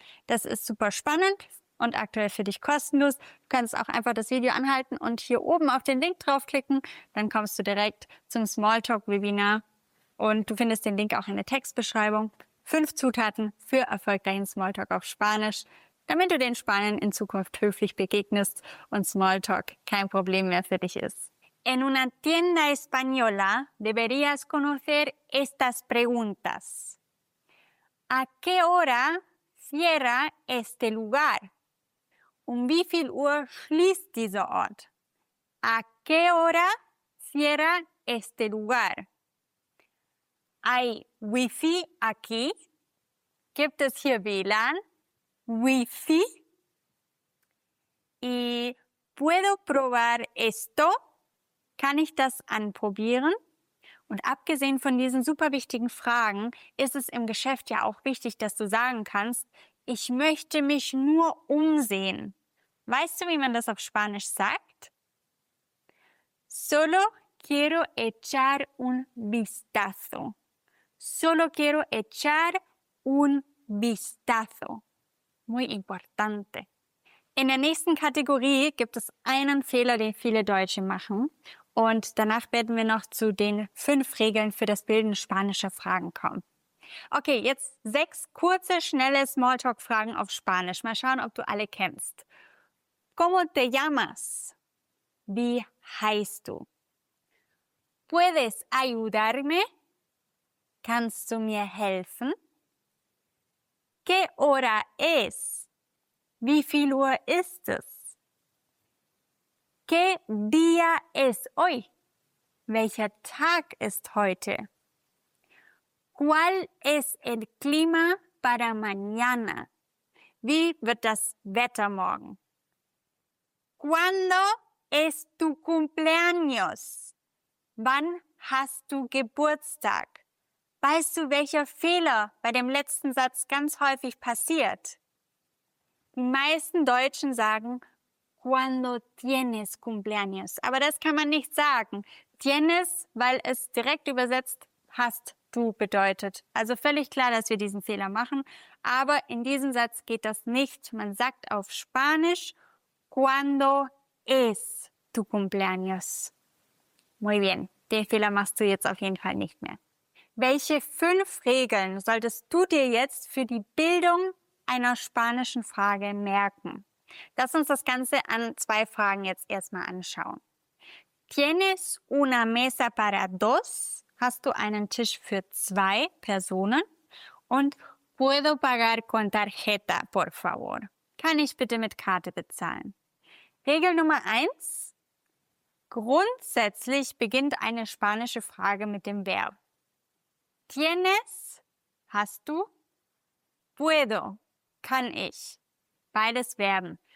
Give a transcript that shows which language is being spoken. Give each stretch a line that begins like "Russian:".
German: Das ist super spannend und aktuell für dich kostenlos. Du kannst auch einfach das Video anhalten und hier oben auf den Link draufklicken. Dann kommst du direkt zum Smalltalk-Webinar und du findest den Link auch in der Textbeschreibung. 5 Zutaten für erfolgreichen Smalltalk auf Spanisch. Damit du den Spaniern in Zukunft höflich begegnest und Smalltalk kein Problem mehr für dich ist.
Spanish: En una tienda española deberías conocer estas preguntas. ¿A qué hora cierra este lugar?
German: ¿Um wie viel Uhr schließt dieser Ort?
Spanish: ¿A qué hora cierra este lugar? ¿Hay wifi aquí?
German: ¿Gibt es hier WLAN? Wifi.
Spanish: ¿Y puedo probar esto?
German: ¿Kann ich das anprobieren? Und abgesehen von diesen super wichtigen Fragen, ist es im Geschäft ja auch wichtig, dass du sagen kannst, ich möchte mich nur umsehen. Weißt du, wie man das auf Spanisch sagt?
Spanish: Solo quiero echar un vistazo. Solo quiero echar un vistazo. Muy importante.
German: In der nächsten Kategorie gibt es einen Fehler, den viele Deutsche machen. Und danach werden wir noch zu den 5 Regeln für das Bilden spanischer Fragen kommen. Okay, jetzt 6 kurze, schnelle Smalltalk-Fragen auf Spanisch. Mal schauen, ob du alle kennst.
Spanish: ¿Cómo te llamas?
German: Wie heißt du?
Spanish: ¿Puedes ayudarme?
German: Kannst du mir helfen?
Spanish: ¿Qué hora es?
German: ¿Wie viel Uhr ist es?
Spanish: ¿Qué día es hoy?
German: ¿Welcher Tag ist heute?
Spanish: ¿Cuál es el clima para mañana?
German: ¿Wie wird das Wetter morgen?
Spanish: ¿Cuándo es tu cumpleaños?
German: ¿Wann hast du Geburtstag? Weißt du, welcher Fehler bei dem letzten Satz ganz häufig passiert? Die meisten Deutschen sagen,
Spanish: cuando tienes cumpleaños.
German: Aber das kann man nicht sagen. Tienes, weil es direkt übersetzt hast du bedeutet. Also völlig klar, dass wir diesen Fehler machen. Aber in diesem Satz geht das nicht. Man sagt auf Spanisch,
Spanish: cuando es tu cumpleaños. Muy bien,
German: den Fehler machst du jetzt auf jeden Fall nicht mehr. Welche 5 Regeln solltest du dir jetzt für die Bildung einer spanischen Frage merken? Lass uns das Ganze an 2 Fragen jetzt erstmal anschauen.
Spanish: ¿Tienes una mesa para dos?
German: Hast du einen Tisch für 2 Personen?
Spanish: Und ¿Puedo pagar con tarjeta, por favor?
German: Kann ich bitte mit Karte bezahlen? Regel Nummer 1. Grundsätzlich beginnt eine spanische Frage mit dem Verb. Tienes, hast du, puedo, kann ich, beides Verben.